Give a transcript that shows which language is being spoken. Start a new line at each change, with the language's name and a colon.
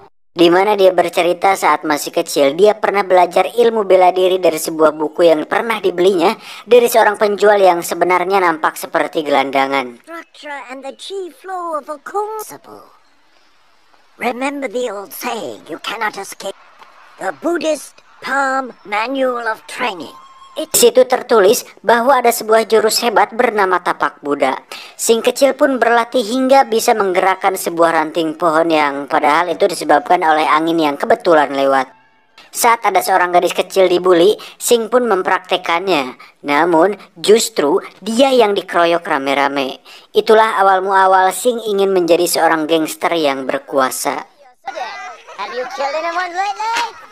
Indonesian: Di mana dia bercerita saat masih kecil, dia pernah belajar ilmu bela diri dari sebuah buku yang pernah dibelinya dari seorang penjual yang sebenarnya nampak seperti gelandangan.
English: Structure and the key flow of a kung fu. Remember the old saying, you cannot escape the Buddhist palm manual of training.
Indonesian: Di situ tertulis bahwa ada sebuah jurus hebat bernama Tapak Buddha. Singh kecil pun berlatih hingga bisa menggerakkan sebuah ranting pohon yang padahal itu disebabkan oleh angin yang kebetulan lewat. Saat ada seorang gadis kecil dibully, Singh pun mempraktekannya. Namun, justru dia yang dikeroyok rame-rame. Itulah awal muawal Singh ingin menjadi seorang gangster yang berkuasa.
English: Have you killed anyone lately?